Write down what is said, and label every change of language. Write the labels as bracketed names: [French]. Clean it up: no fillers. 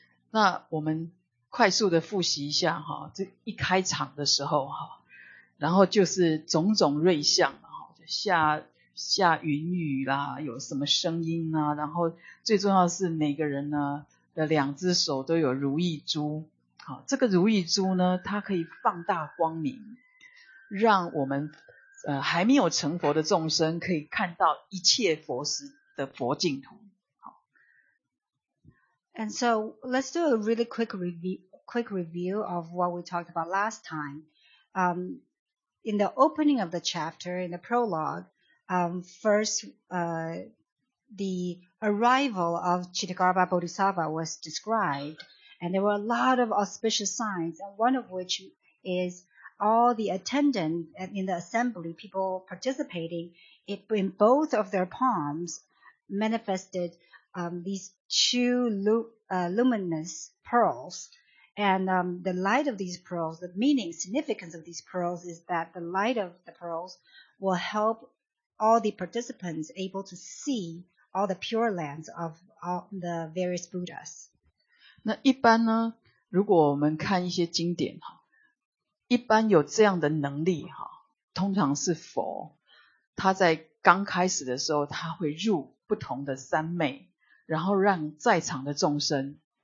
[Chinese] 那我们快速的复习一下哈，这一开场的时候哈，然后就是种种瑞相哈，下云雨啦，有什么声音啊，然后最重要的是每个人呢的两只手都有如意珠，好，这个如意珠呢，它可以放大光明，让我们还没有成佛的众生可以看到一切佛时的佛净土。好 [English] ，And so let's do a really quick review of what we talked about last time. In the opening of the chapter, in the prologue, the arrival of Chittagarbha Bodhisattva was described, and there were a lot of auspicious signs, and one of which is all the attendants in the assembly, people participating, in both of their palms manifested these two luminous pearls. And the light of these pearls, the meaning, significance of these pearls is that the light of the pearls will help all the participants able to see all the pure lands of all the various Buddhas. [Chinese] 那一般呢，如果我们看一些经典，一般有这样的能力，通常是佛，他在刚开始的时候，他会入不同的三昧，然后让在场的众生，